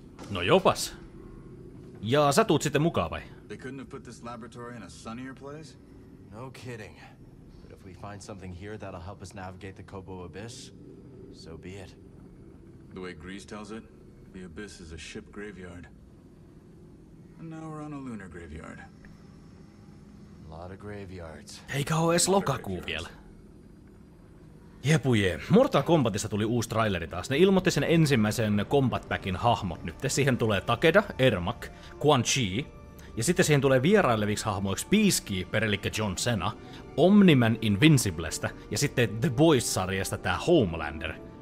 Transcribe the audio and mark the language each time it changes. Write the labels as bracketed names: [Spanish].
[Finnish] No jopas. Ja sä tuut sitten mukaan vai? [English] They couldn't have put this laboratory in a sunnier place? No kidding. But if we find something here that'll help us navigate the Kobo Abyss, so be it. The way Grease tells it, the Abyss is a ship graveyard. And now we're on a lunar graveyard. A lot of graveyards. [Finnish] Eikä oo ees lokakuu vielä. Jepuje. Mortal Kombatista tuli uusi traileri taas. Ne ilmoitti sen ensimmäisen Combat Packin hahmot nyt. Siihen tulee Takeda, Ermac, Quan Chi. Ja sitten siihen tulee vierailleviksi hahmoiksi Peacekeeper, eli John Cena, Omni-Man Invinciblestä ja sitten The Boys-sarjasta tää Homelander.